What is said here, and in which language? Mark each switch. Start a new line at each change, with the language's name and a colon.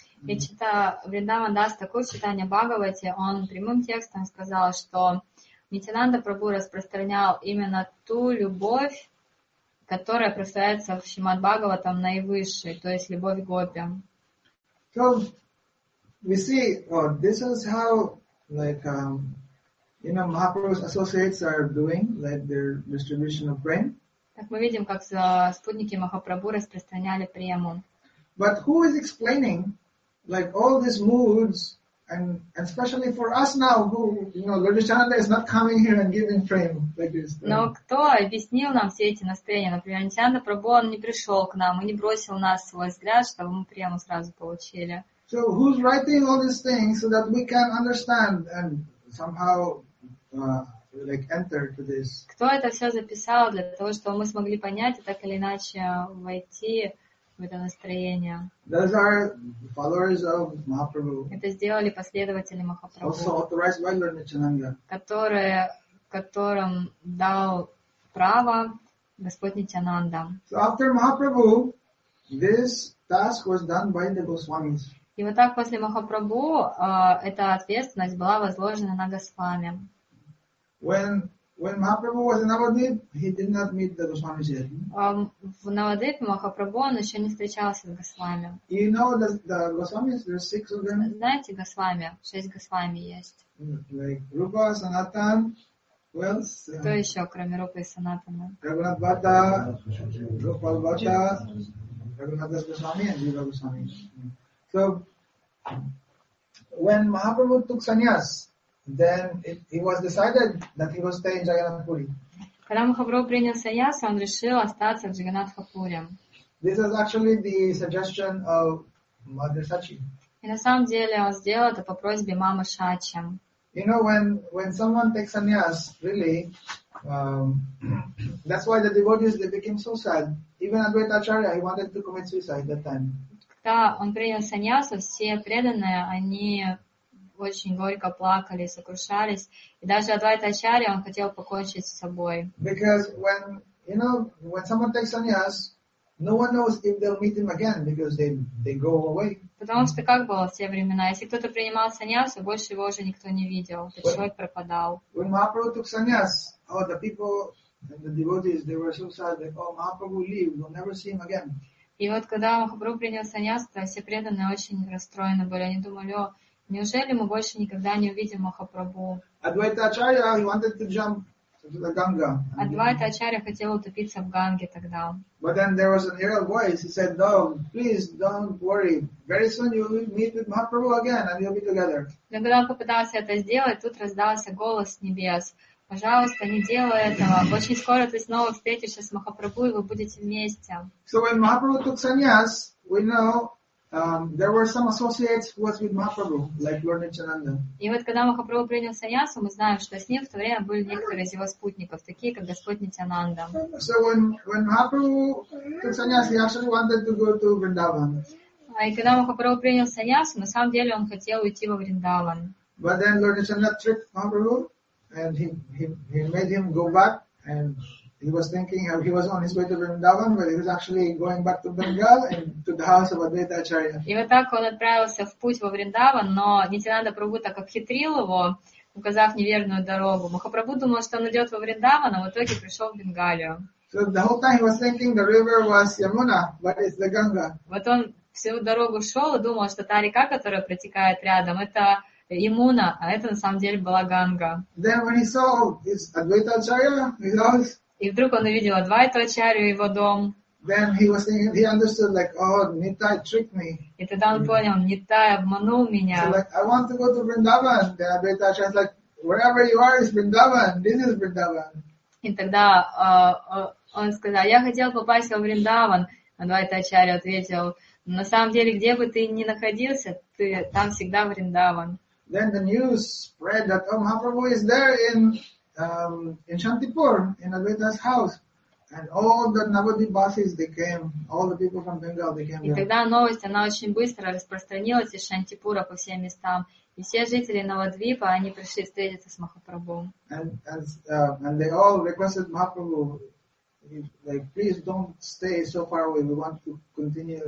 Russian: И читая Вриндаван Дас Такур читание Бхагавати, он прямым текстом сказал, что Нитянанда Прабху распространял именно ту любовь, которая представляется в Шримад Бхагаватам наивысшей, то есть любовь к гопи.
English: So we see, oh, this is how like you know Mahaprabhu's associates are doing, like their distribution of prem.
Russian: Так мы видим, как спутники Махапрабху распространяли прему.
English: But who is explaining like all these moods, and especially for us now, who, you know, Lord Nityananda is not coming here and giving frame like this.
Russian: Но кто объяснил нам все эти настроения? Например, Нитянанда Прабху, он не пришел к нам и не бросил нас свой взгляд, чтобы мы прему сразу получили.
English: So who's writing all these things so that we can understand and somehow like enter to this?
Russian: Кто это все записал для того, чтобы мы смогли понять и так или иначе войти в это настроение?
English: Those are followers of Mahaprabhu.
Russian: Это сделали последователи Махапрабху.
English: Also authorized by Lord Nityananda.
Russian: Которым дал право Господь Нитянанда.
English: So after Mahaprabhu, this task was done by the Goswamis.
Russian: И вот так после Махапрабху эта ответственность была возложена на Госвами.
English: When Mahaprabhu was in Navadvip, he did not meet the Goswamis yet.
Russian: В Навадвипе Махапрабху он еще не встречался с Госвами.
English: You know the Goswamis, there are 6 of them.
Russian: Знаете Госвами? 6 Госвами есть.
English: Like Rupa, Sanatan, who else?
Russian: Кто еще, кроме Рупы и Санатана? Рагунат Бхатта, Рупал Бхатта, Рагунат Дас Госвами и Джива Госвами.
English: So when Mahaprabhu took sannyas, then it was decided that he will stay in Jagannath Puri.
Russian: Когда Махапрабху принял саньяс, он решил остаться в Джаганатхапуре.
English: This was actually the suggestion of Mother Sachi.
Russian: И на самом деле он сделал это по просьбе мамы Шачи.
English: You know, when someone takes sannyas, really, that's why the devotees, they became so sad. Even Advaita Acharya, he wanted to commit suicide that time.
Russian: Когда он принял саньясу, все преданные, они очень горько плакали, сокрушались. И даже Адвайта Ачарья, он хотел покончить с собой.
English: Because when, you know, when someone takes sannyas, no one knows if they'll meet him again, because they go away.
Russian: Потому что как было в те времена? Если кто-то принимал саньясу, больше его уже никто не видел. Этот человек пропадал.
English: When Mahaprabhu took sannyas, oh, the people and the devotees, they were so sad that, oh, Mahaprabhu leave, we'll never see him again.
Russian: И вот когда Махапрабху принял саньяс, все преданные очень расстроены были. Они думали, о, неужели мы больше никогда не увидим Махапрабху?
English: Адвайта Ачарья, he wanted to jump to the Ganga.
Russian: Адвайта Ачарья хотел утопиться в Ганге тогда.
English: But then there was an aerial voice. He said, no, please don't worry. Very soon you will meet with Mahaprabhu again and you'll be together.
Russian: Но когда он попытался это сделать, тут раздался голос с небес. Пожалуйста, не делай этого. Очень скоро ты снова встретишься с Махапрабху, и вы будете вместе.
English: So when Mahaprabhu took sannyas, we know there were some associates who was with Mahaprabhu, like Lord Nityananda.
Russian: И вот когда Махапрабху принял саньясу, мы знаем, что с ним в то время были некоторые из его спутников, такие как Господь Нитянанда.
English: So when Mahaprabhu took sannyas, he actually wanted to go to Vrindavan.
Russian: А и когда Махапрабху принял саньясу, на самом деле он хотел уйти во Вриндаван.
English: But then Lord Nityananda tricked Mahaprabhu. And he made him go back, and he was thinking he was on his way to Vrindavan, but he was actually going back to Bengal and to the house of Advaita Acharya.
Russian: И вот так он отправился в путь во Вриндаван, но Нитянанда Прабху так обхитрил его, указав неверную дорогу. Махапрабху думал, что он идет во Вриндаван, а в итоге пришел в Бенгалию.
English: So the whole time he was thinking the river was Yamuna, but it's the Ganga.
Russian: Вот он всю дорогу шел и думал, что та река, которая протекает рядом, это Ямуна, а это на самом деле была Ганга.
English: Then when he saw his Advaita Acharya, his house.
Russian: И вдруг он увидел Адвайта Ачарью, его дом.
English: Then he was thinking, he understood like, oh, Nittai tricked me.
Russian: И тогда он понял, Нитай обманул меня.
English: So like, I want to go to Vrindavan. Then Advaita Acharya is like, wherever you are is Vrindavan. This is Vrindavan.
Russian: И тогда он сказал, я хотел попасть во Вриндаван. Адвайта Ачарья ответил, на самом деле, где бы ты ни находился, ты там всегда Вриндаван.
English: Then the news spread that Mahaprabhu is there in Shantipur, in Advaita's house. And all the Navadvip bases, they came, all the people from Bengal, they came there.
Russian: И тогда новость, она очень быстро распространилась из Шантипура по всем местам. И все жители Навадвипа, они пришли встретиться с Махапрабху.
English: And they all requested Mahaprabhu, like, please don't stay so far away, we want to continue